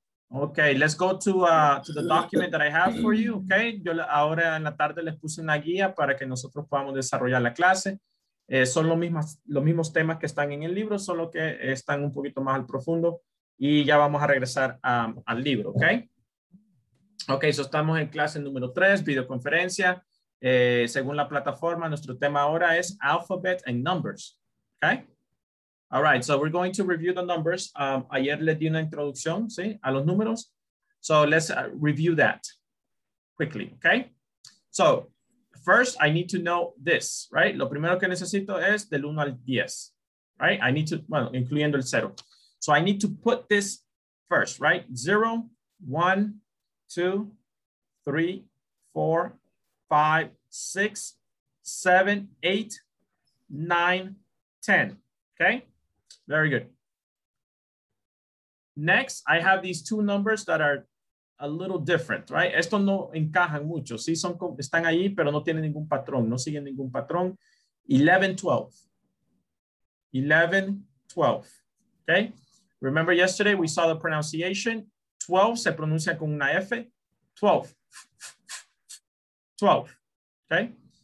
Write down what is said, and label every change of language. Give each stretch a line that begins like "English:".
English: Ok, let's go to the document that I have for you.
Spanish: Ok, yo ahora en la tarde les puse una guía para que nosotros podamos desarrollar la clase. Son los mismos temas que están en el libro, solo que están un poquito más al profundo y ya vamos a regresar al libro, ¿ok? Ok, so estamos en clase número 3, videoconferencia. Según la plataforma, nuestro tema ahora es alphabet and numbers, ¿ok?
English: All right, so we're going to review the numbers.
Spanish: Ayer les di una introducción, ¿sí? A los números.
English: So let's review that quickly, ¿ok? So, first, I need to know this, right?
Spanish: Lo primero que necesito es del 1 al 10, right?
English: I need to,
Spanish: bueno, incluyendo el 0.
English: So I need to put this first, right? 0, 1, 2, 3, 4, 5, 6, 7, 8, 9, 10. Okay? Very good. Next, I have these two numbers that are a little different, right?
Spanish: Esto no encajan mucho. Sí, son, están ahí, pero no tienen ningún patrón. No siguen ningún patrón. 11, 12. 11, 12. Okay?
English: Remember yesterday we saw the pronunciation. 12
Spanish: se pronuncia con una F.
English: 12. 12. Okay?